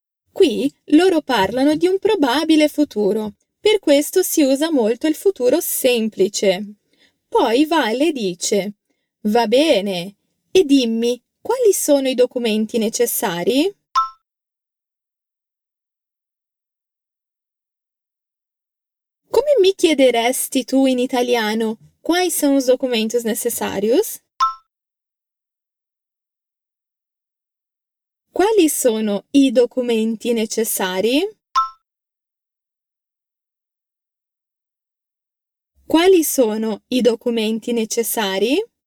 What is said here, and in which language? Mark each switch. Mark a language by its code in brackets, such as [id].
[it] Qui loro parlano di un probabile futuro. Per questo si usa molto il futuro semplice. Poi Vale dice, va bene, e dimmi, quali sono i documenti necessari? Come mi chiederesti tu in italiano, [pt] quais são os documentos necessários? [it] Quali sono i documenti necessari? Quali sono i documenti necessari?